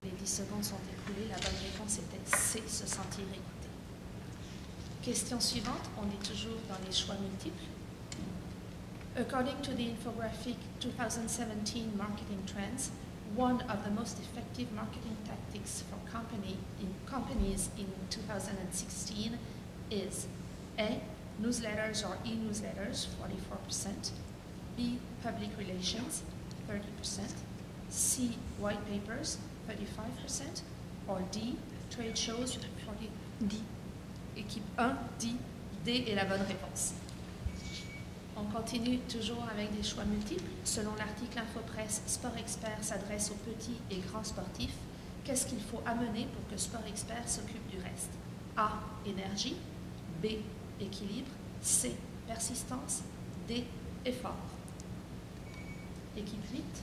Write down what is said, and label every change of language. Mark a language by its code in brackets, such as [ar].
[fr] Secondes sont écoulées, la bonne réponse était C, se sentir écouté. Question suivante, on est toujours dans les choix multiples. [en] According to the infographic 2017 Marketing Trends, one of the most effective marketing tactics for companies in 2016 is A, newsletters or e-newsletters, 44%, B, public relations, 30%, C, white papers, 35% or D, trade shows, 40%. D. [fr] Équipe 1, D. D est la bonne réponse. On continue toujours avec des choix multiples. Selon l'article Infopresse, Sport Expert s'adresse aux petits et grands sportifs. Qu'est-ce qu'il faut amener pour que Sport Expert s'occupe du reste? A. Énergie. B. Équilibre. C. Persistance. D. Effort. Équipe 8.